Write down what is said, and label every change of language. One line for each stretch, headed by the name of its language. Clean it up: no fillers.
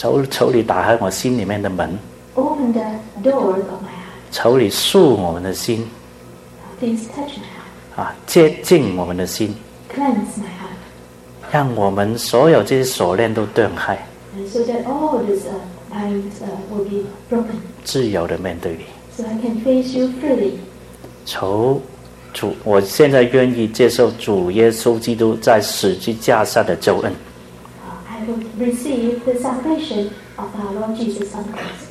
Chinese: 求你打开我心里面的门。
English: Open the door of my heart.
Chinese: 求你束我们的心。
English: Please touch my heart.
Chinese: 接近我们的心。
English: Cleanse my heart.
Chinese: 让我们所有这些锁链都断开。
English: So that all these binds will be broken.
Chinese: 自由的面对你。
English: So I can face you freely.
Chinese: 求主，我现在愿意接受主耶稣基督在十字架上的救恩。
English: I will receive the salvation of our Lord Jesus Christ.